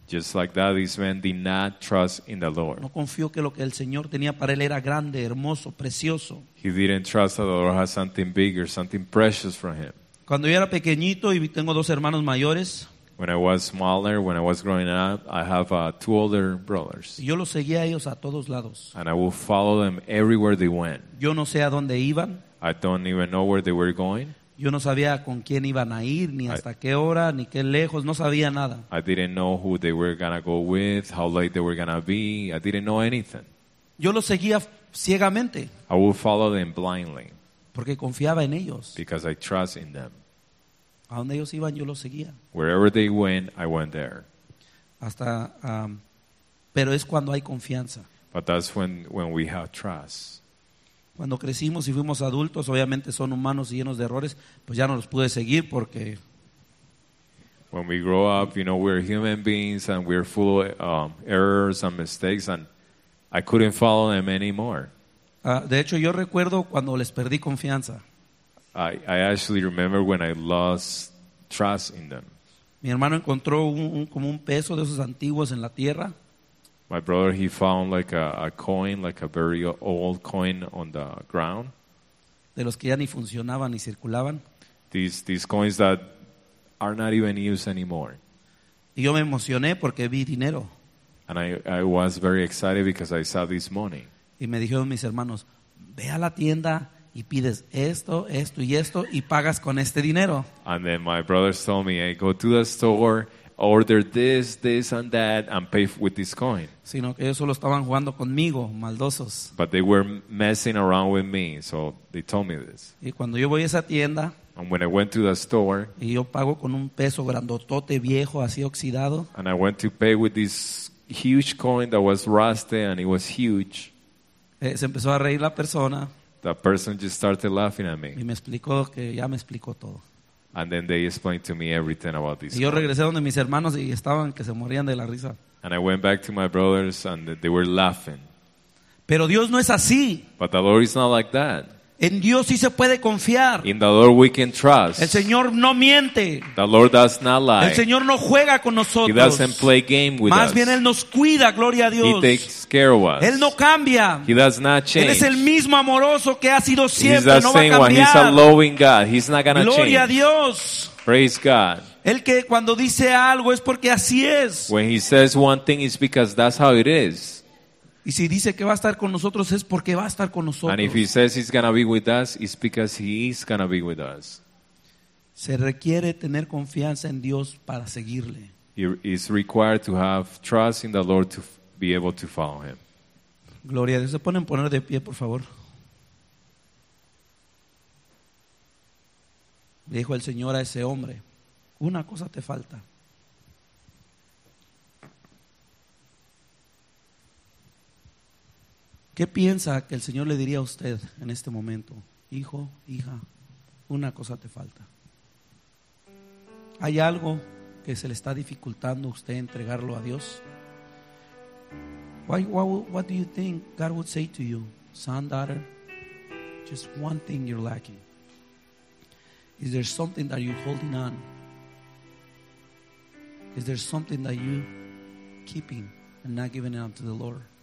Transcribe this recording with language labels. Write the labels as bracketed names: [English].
[English] Just like that, this man did not trust in the Lord. [Spanish] No confió que lo que el Señor tenía para él era grande, hermoso, precioso. [English] He didn't trust that the Lord has something bigger, something precious for him. [Spanish] Cuando yo era pequeñito y tengo dos hermanos mayores. [English] When I was smaller, when I was growing up, I have two older brothers. [Spanish] Yo los seguía a ellos a todos lados. [English] And I would follow them everywhere they went. [Spanish] Yo no sé a dónde iban. [English] I don't even know where they were going. [Spanish] Yo no sabía con quién iban a ir, ni hasta qué hora, ni qué lejos. No sabía nada. [English] I didn't know who they were gonna go with, how late they were gonna be. I didn't know anything. [Spanish] Yo los seguía ciegamente. [English] I would follow them blindly. [Spanish] Porque confiaba en ellos. [English] Because I trust in them. [Spanish] A donde ellos iban, yo los seguía. [English] Wherever they went, I went there. [Spanish] Hasta, pero es cuando hay confianza. [English] But that's when we have trust. [Spanish] Cuando crecimos y fuimos adultos, obviamente son humanos y llenos de errores, pues ya no los pude seguir porque. [English] When we grow up, you know, we're human beings and we're full of errors and mistakes, and I couldn't follow them anymore. [Spanish] De hecho, yo recuerdo cuando les perdí confianza. [English] I actually remember when I lost trust in them. [Spanish] Mi hermano encontró un peso de esos antiguos en la tierra. [English] My brother, he found like a coin, like a very old coin on the ground. [Spanish] De los que ya ni funcionaban ni circulaban. [English] These coins that are not even used anymore. [Spanish] Y yo me emocioné porque vi dinero. [English] And I was very excited because I saw this money. [Spanish] Y me dijeron mis hermanos, ve a la tienda y pides esto, esto y esto y pagas con este dinero. [English] And then my brothers told me, hey, go to the store, order this, this and that and pay with this coin. [Spanish] Sino que ellos solo estaban jugando conmigo, maldosos. [English] But they were messing around with me, so they told me this. [Spanish] Y cuando yo voy a esa tienda, [English] and when I went to the store, [Spanish] y yo pago con un peso grandotote viejo, así oxidado, [English] and I went to pay with this huge coin that was rusted and it was huge, [Spanish] se empezó a reír la persona. [English] The person just started laughing at me. [Spanish] Y me explicó que ya me explicó todo. [English] And then they explained to me everything about this. [Spanish] Y yo regresé donde mis hermanos y estaban que se morían de la risa. [English] And I went back to my brothers and they were laughing. [Spanish] Pero Dios no es así. [English] But the Lord is not like that. [Spanish] En Dios sí se puede confiar. [English] In the Lord we can trust. [Spanish] El Señor no miente. [English] The Lord does not lie. [Spanish] El Señor no juega con nosotros. [English] He doesn't play game with [Spanish] Más Más bien Él nos cuida, gloria a Dios. [English] He takes care of us. [Spanish] Él no cambia. [English] He does not change. [Spanish] Él es el mismo amoroso que ha sido siempre. [English] He's the no same [Spanish] va a cambiar. [English] One. He's a loving God. He's not gonna [Spanish] gloria Gloria a Dios. [English] Praise God. [Spanish] El que cuando dice algo es porque así es. [English] When he says one thing, it's because that's how it is. [Spanish] Y si dice que va a estar con nosotros es porque va a estar con nosotros. [English] And if he says he's gonna be with us, it's because he is gonna be with us. [Spanish] Se requiere tener confianza en Dios para seguirle. [English] It's required to have trust in the Lord to be able to follow him. [Spanish] Gloria a Dios. Se pueden poner de pie, por favor. Le dijo el Señor a ese hombre, una cosa te falta. ¿Qué piensa que el Señor le diría a usted en este momento? Hijo, hija, una cosa te falta. ¿Hay algo que se le está dificultando a usted entregarlo a Dios? [English] What do you think God would say to you? Son, daughter, just one thing you're lacking. Is there something that you're holding on? Is there something that you're keeping and not giving it unto the Lord?